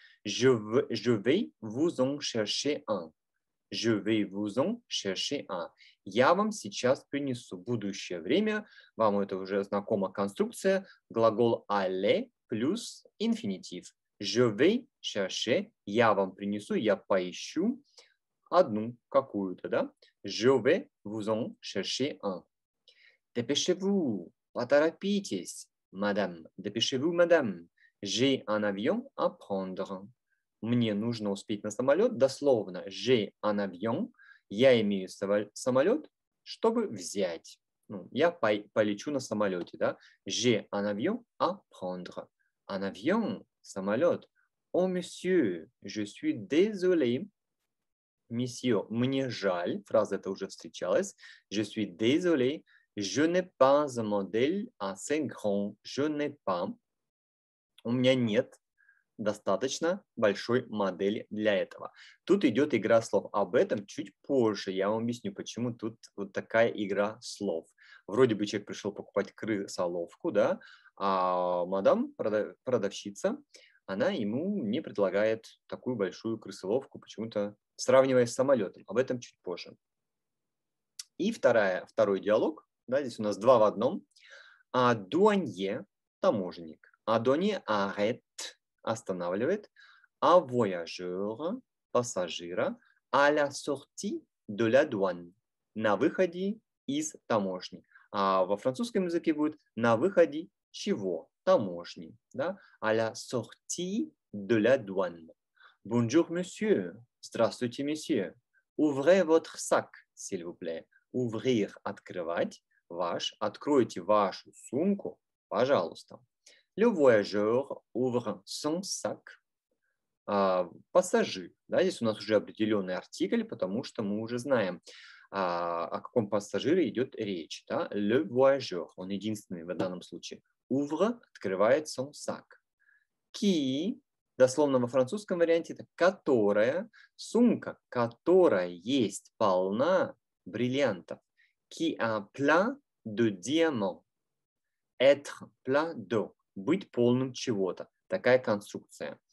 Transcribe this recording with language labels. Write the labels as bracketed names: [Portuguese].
[French] Je vais vous en chercher un. Je vais vous en chercher un. [Russian] Я вам сейчас принесу. Будущее время. Вам это уже знакома конструкция. Глагол aller плюс инфинитив. [French] Je vais chercher. [Russian] Я вам принесу. Я поищу одну какую-то, да? [French] Je vais vous en chercher un. Dépêchez-vous. [Russian] Поторопитесь, мадам. [French] Dépêchez-vous, мадам. J'ai un avion à prendre. [Russian] Мне нужно успеть на самолет. Дословно, [French] j'ai un avion. [Russian] Я имею самолет, чтобы взять. Ну, я полечу на самолете, да? [French] J'ai un avion à prendre. Un avion, самолет. Oh, monsieur, je suis désolé. [Russian] Monsieur, мне жаль. Фраза эта уже встречалась. [French] Je suis désolé. Je n'ai pas un modèle assez grand. Je n'ai pas. [Russian] У меня нет достаточно большой модели для этого. Тут идет игра слов. Об этом чуть позже я вам объясню, почему тут вот такая игра слов. Вроде бы человек пришел покупать крысоловку, да, а мадам, продавщица, она ему не предлагает такую большую крысоловку, почему-то сравнивая с самолетом. Об этом чуть позже. И второй диалог. Да, здесь у нас два в одном. А дуанье, таможенник. А донье арет, останавливает. А вояжер, пассажира, а ля сорти до ля дуан, на выходе из таможни. А во французском языке будет на выходе чего? Таможни. Да? А ля сорти до ля дуан. Бонжур, месье. Здравствуйте, месье. [French] Ouvrez votre sac, s'il vous plaît. [Russian] Ouvrir, открывать ваш. Откройте вашу сумку, пожалуйста. [French] Le voyageur ouvre son sac. [Russian] Пассажир. Да, здесь у нас уже определенный артикль, потому что мы уже знаем, о каком пассажире идет речь. Да? [French] Le voyageur, [Russian] он единственный в данном случае. [French] Ouvre, открывает son sac. [Russian] Qui, дословно во французском варианте, это которая, сумка, которая есть полна бриллиантов. [French] Qui a plein de diamants. Être plein de. [Russian] Быть полным чего-то. Такая конструкция.